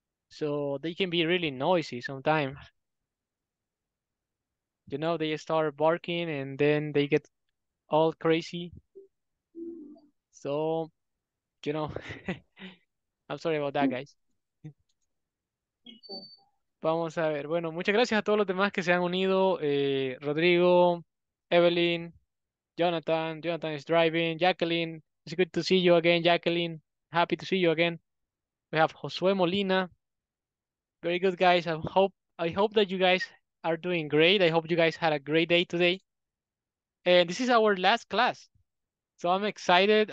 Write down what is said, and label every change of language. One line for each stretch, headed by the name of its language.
English: So they can be really noisy sometimes. You know, they start barking and then they get all crazy. So, you know, I'm sorry about that, guys.
Spanish: Vamos a ver. Bueno, muchas gracias a todos los demás que se han unido.
English: Rodrigo, Evelyn, Jonathan. Jonathan is driving. Jacqueline, it's good to see you again, Jacqueline. Happy to see you again. We have Josué Molina. Very good, guys. I hope that you guys are doing great. I hope you guys had a great day today. And this is our last class. So I'm excited.